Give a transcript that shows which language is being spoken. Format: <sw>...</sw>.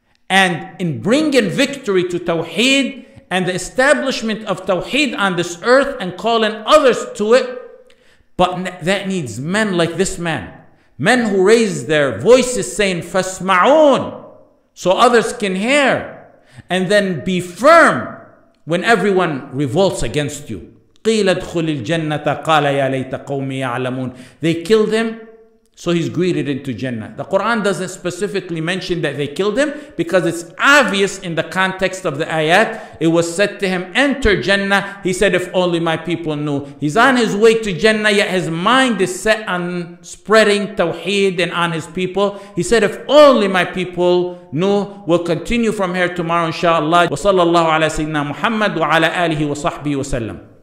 <en>And in bringing victory to tawheed and the establishment of tawheed on this earth and calling others to it. But that needs men like this man. Men who raise their voices saying fasma'un, so others can hear. And then be firm when everyone revolts against you.</en> <ar>قيل ادخل الجنة قال يا ليت قومي يعلمون.</ar> <en>They killed him, so he's greeted into Jannah. The Quran doesn't specifically mention that they killed him because it's obvious in the context of the ayat. It was said to him, enter Jannah. He said, if only my people knew. He's on his way to Jannah, yet his mind is set on spreading tawheed and on his people. He said, if only my people knew. We'll continue from here tomorrow, inshallah.</en> <ar>وصلى الله على سيدنا محمد وعلى آله وصحبه وسلم.</ar>